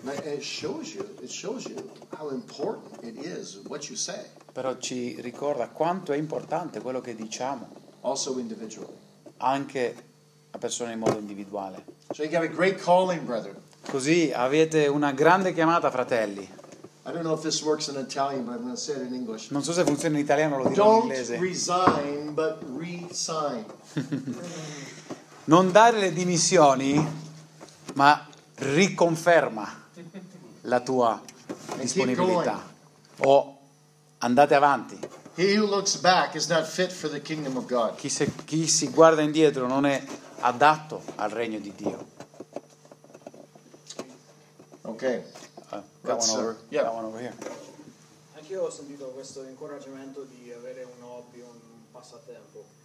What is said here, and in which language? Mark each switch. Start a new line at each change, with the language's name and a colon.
English: It shows you how important it is what you say.
Italian: Però ci ricorda quanto è importante quello che diciamo.
English: Also individually.
Italian: Anche a persone in modo individuale.
English: So you have a great calling, brethren.
Italian: Così avete una grande chiamata, fratelli.
English: I don't know if this works in Italian, but I'm going to say it in English.
Italian: Non so se funziona in italiano, lo dirò
English: don't
Italian: in inglese.
English: Don't resign, but re-sign.
Italian: Non dare le dimissioni, ma riconferma la tua disponibilità. O andate avanti.
English: He who looks back is not fit for the kingdom of God.
Italian: Chi si guarda indietro non è adatto al regno di Dio.
English: Okay. Got one over here.
Italian: Anche io ho sentito questo incoraggiamento di avere un hobby, un passatempo.